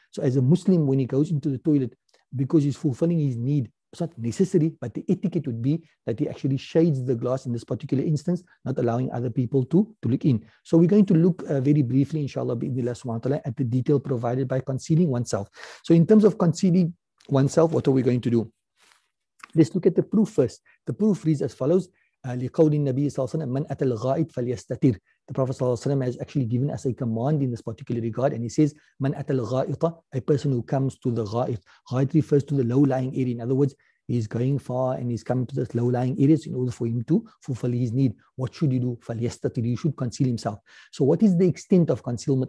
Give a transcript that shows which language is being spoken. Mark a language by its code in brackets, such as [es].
[en] So as a Muslim, when he goes into the toilet, because he's fulfilling his need, it's not necessary, but the etiquette would be that he actually shades the glass in this particular instance, not allowing other people to look in. So we're going to look very briefly, inshallah, bismillah subhanahu wa ta'ala, at the detail provided by concealing oneself. So in terms of concealing oneself, what are we going to do? Let's look at the proof first. The proof reads as follows. [ar] لقول النبي صلى الله عليه وسلم من أتى الغائط فليستتر. [en] The Prophet [ar] صلى الله عليه وسلم [en] has actually given us a command in this particular regard, and he says [ar] من أتى الغائط, [en] a person who comes to the غائط. غائط refers to the low-lying area. In other words, He's going far and he's coming to the low-lying areas in order for him to fulfill his need. What should he do? [ar] فَلْيَسْتَتِرْ, [en] he should conceal himself. So what is the extent of concealment?